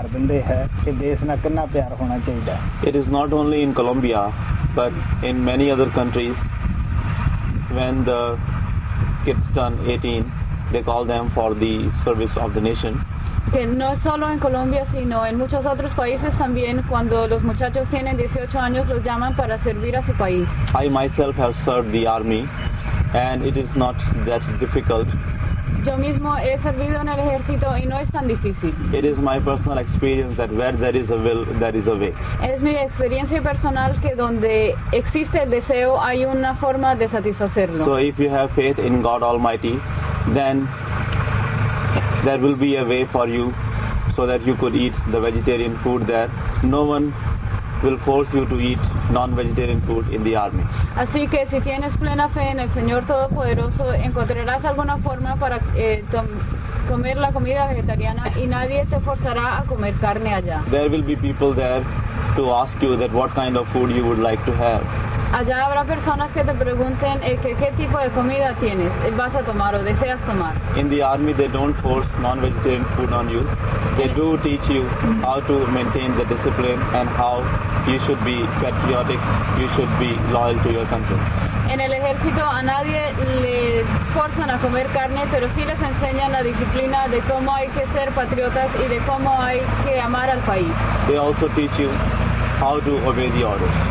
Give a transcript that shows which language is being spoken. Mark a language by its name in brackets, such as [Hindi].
[English] It is not only in Colombia, but in many other countries, when the kids turn 18, they call them for the service of the nation. [Spanish] Que no es solo en Colombia, sino en muchos otros países también, cuando los muchachos tienen 18 años, los llaman para servir a su país. [English] I myself have served the army, and it is not that difficult. [Spanish] Yo mismo he servido en el ejército y no es tan difícil. [English] It is my personal experience that where there is a will, there is a way. [Spanish] Es mi experiencia personal que donde existe el deseo, hay una forma de satisfacerlo. [English] So if you have faith in God Almighty, then there will be a way for you so that you could eat the vegetarian food there. No one will force you to eat non-vegetarian food in the army. [Spanish] Así que si tienes plena fe en el Señor Todopoderoso, encontrarás alguna forma para comer la comida vegetariana y nadie te forzará a comer carne allá. [English] There will be people there to ask you that what kind of food you would like to have. [Spanish] Allá habrá personas que te pregunten qué tipo de comida tienes, vas a tomar o deseas tomar. [English] In the army they don't force non-vegetarian food on you. They do teach you how to maintain the discipline and how you should be patriotic, you should be loyal to your country. [Spanish] en el ejército a nadie le forzan a comer carne, pero sí les enseñan la disciplina de cómo hay que ser patriotas y de cómo hay que amar al país. [English] They also teach you how to obey the orders.